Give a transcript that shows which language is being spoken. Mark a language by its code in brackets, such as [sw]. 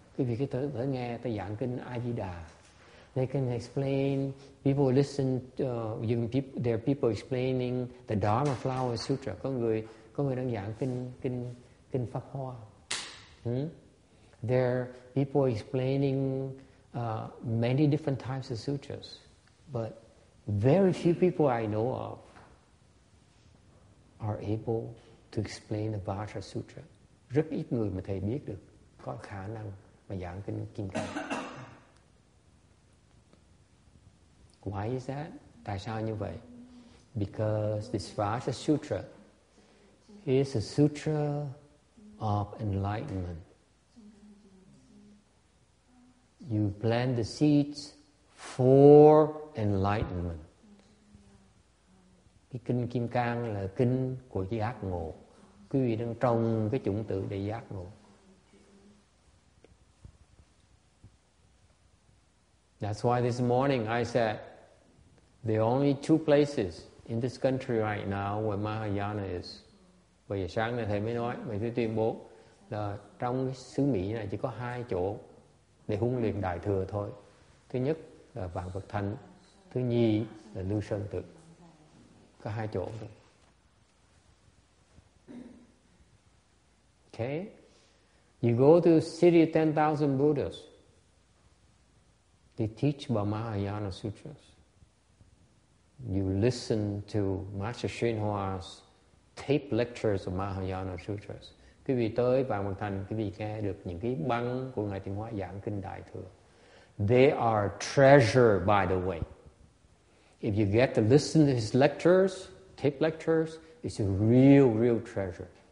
[vi] Quý vị có thể nghe tới giảng kinh A Di Đà. [en] They can explain, people listen, there are people explaining the Dharma Flower Sutra. [vi] Có người đang giảng kinh Pháp Hoa. [en] There are people explaining many different types of sutras. But very few people I know of are able to explain the Vajra Sutra. [vi] Rất ít người mà thầy biết được có khả năng mà giảng kinh Kim Cang. [en] Why is that? [vi] Tại sao như vậy? [en] Because this Vajra Sutra is a sutra of enlightenment. You plant the seeds for enlightenment. [vi] Cái kinh Kim Cang là kinh của giác ngộ. Quý vị đang trồng cái chủng tử để giác ngộ. [en] That's why this morning I said, there are only two places in this country right now where Mahayana is. [vi] Bây giờ sáng này thầy mới nói, mình sẽ tuyên bố là trong xứ Mỹ này chỉ có hai chỗ để huấn luyện đại thừa thôi. Thứ nhất là Vạn Vật Thánh, thứ nhì là Lưu Sơn Tự. Có hai chỗ thôi. [en] Okay. You go to City of 10,000 Buddhas. They teach about Mahayana Sutras. You listen to Master Xuyên Hoa's tape lectures of Mahayana Sutras. [vi] Quý vị tới Vạn Vật Thành, quý vị nghe được những cái băng của Ngài Tiến Hóa giảng kinh Đại Thừa. [en] They are treasure, by the way. If you get to listen to his lectures, tape lectures, it's a real, real treasure.